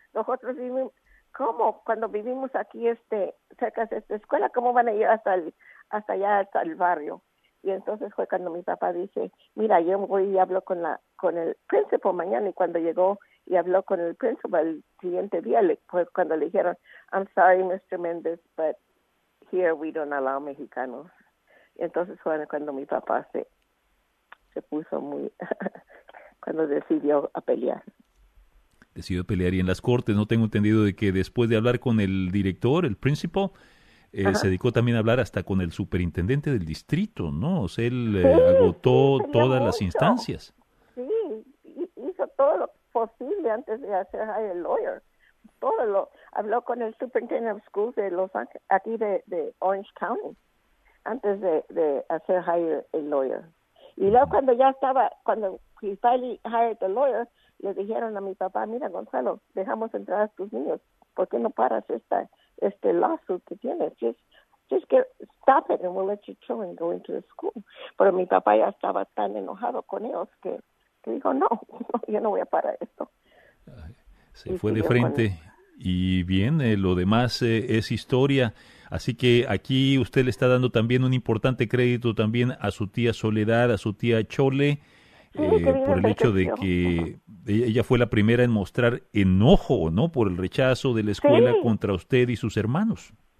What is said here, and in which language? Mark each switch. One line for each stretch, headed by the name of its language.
Spanish: Nosotros vivimos, ¿cómo? Cuando vivimos aquí cerca de esta escuela, ¿cómo van a ir hasta allá, hasta el barrio? Y entonces fue cuando mi papá dice, mira, yo voy y hablo con el principal mañana. Y cuando llegó y habló con el principal el siguiente día, pues cuando le dijeron,
English: I'm sorry, Mr. Mendez, but here we don't allow mexicanos.
Spanish: Y entonces fue cuando mi papá se puso muy, cuando decidió a pelear. Decidió pelear, y en las cortes, no tengo entendido de que después de hablar con el director, el principal, se dedicó también a hablar hasta con el superintendente del distrito, ¿no? O sea, él agotó todas las instancias. Sí, hizo todo lo posible antes de hacer el lawyer. Todo lo habló con el superintendente
English: of schools
Spanish: de Los Ángeles, aquí de Orange County, antes de hacer
English: hire a lawyer.
Spanish: Y luego cuando ya estaba, cuando
English: he finally hired the lawyer,
Spanish: le dijeron a mi papá, mira Gonzalo, dejamos entrar a tus niños, ¿por qué no paras esta este lawsuit que tienes?
English: Just get, stop it and we'll let your children go into the school.
Spanish: Pero mi papá ya estaba tan enojado con ellos que dijo, no, yo no voy a parar esto. Se fue de frente y bien, lo demás es historia. Así que aquí usted le está dando también un importante crédito también a su tía Soledad, a su tía Chole, por el hecho de que ella fue la primera en mostrar enojo, ¿no?, por el rechazo de la escuela contra usted y sus hermanos.